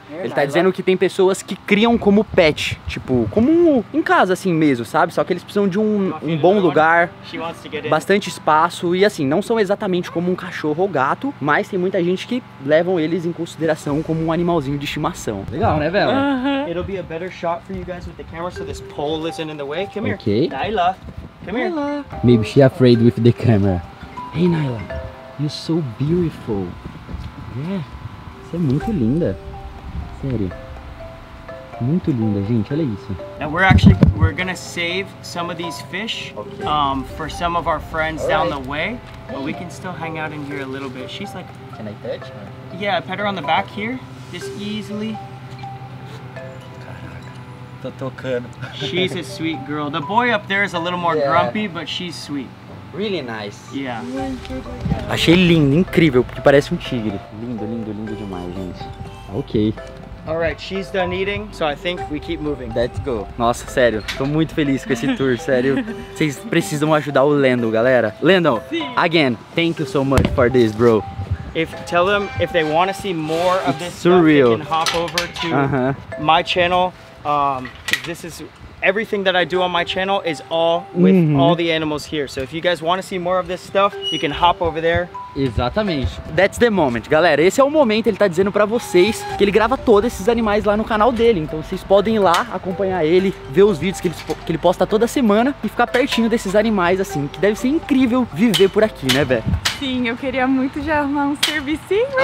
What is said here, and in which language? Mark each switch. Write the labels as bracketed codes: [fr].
[pt] Ele tá dizendo que tem pessoas que criam como pet, tipo, como em casa assim mesmo, sabe? Só que eles precisam de um bom lugar, bastante espaço e assim, não são exatamente como um cachorro ou gato, mas tem muita gente que levam eles em consideração como um animalzinho de estimação. Legal, né, velho? Uh-huh. [en] It'll be a better shot for you guys with the camera so this pole isn't in the way. Come here. Okay. Nyla. Come here. Nyla. Maybe she's afraid with the camera. Hey, Nyla. You're so beautiful. Yeah. [pt] Você é muito linda. Sério. Muito linda, gente, olha isso. [en] And we're gonna save some of these fish for some of our friends down the way. But we can still hang out in here a little bit. She's like, can I touch her? Yeah, pet her on the back here, just easily. [pt] Caraca, tô tocando. [en] She's a sweet girl. The boy up there is a little more grumpy, but she's sweet. Really nice. Yeah. [pt] Achei lindo, incrível, porque parece tigre. Lindo, lindo, lindo demais, gente. Okay. [en] All right, she's done eating, so I think we keep moving. Let's go. [pt] Nossa, sério, tô muito feliz com esse tour, sério. Vocês precisam ajudar o Lando, galera. [en] Lando, again, thank you so much for this, bro. If tell them if they want to see more of this stuff, they can hop over to my channel. This is everything that I do on my channel is all with all the animals here. So if you guys want to see more of this stuff, you can hop over there. [pt] Exatamente. [en] That's the moment, [pt] galera. Esse é o momento, ele tá dizendo pra vocês que ele grava todos esses animais lá no canal dele. Então vocês podem ir lá acompanhar ele, ver os vídeos que ele posta toda semana e ficar pertinho desses animais, assim, que deve ser incrível viver por aqui, né, Bé? Sim, eu queria muito já arrumar um servicinho aqui.